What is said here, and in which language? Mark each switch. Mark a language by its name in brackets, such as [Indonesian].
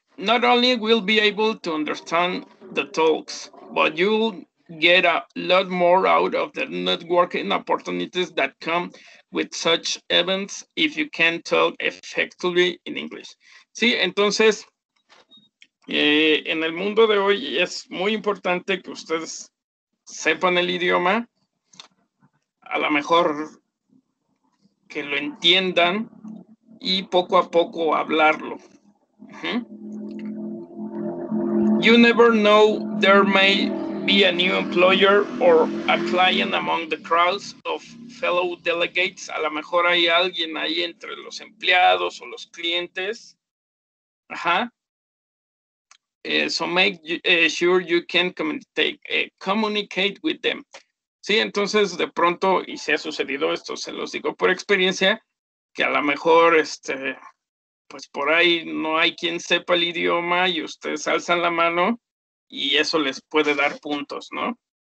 [English] Not only will be able to understand the talks, but you'll get a lot more out of the networking opportunities that come with such events if you can talk effectively in English. [Spanish] Sí, entonces, en el mundo de hoy es muy importante que ustedes sepan el idioma, a lo mejor que lo entiendan y poco a poco hablarlo. [English] You never know, there may be a new employer or a client among the crowds of fellow delegates. [Spanish] A lo mejor hay alguien ahí entre los empleados o los clientes. [English] So make sure you can communicate with them. [Spanish] Sí, entonces de pronto, y se ha sucedido esto, se los digo por experiencia, que a lo mejor pues por ahí no hay quien sepa el idioma y ustedes alzan la mano y eso les puede dar puntos, ¿no?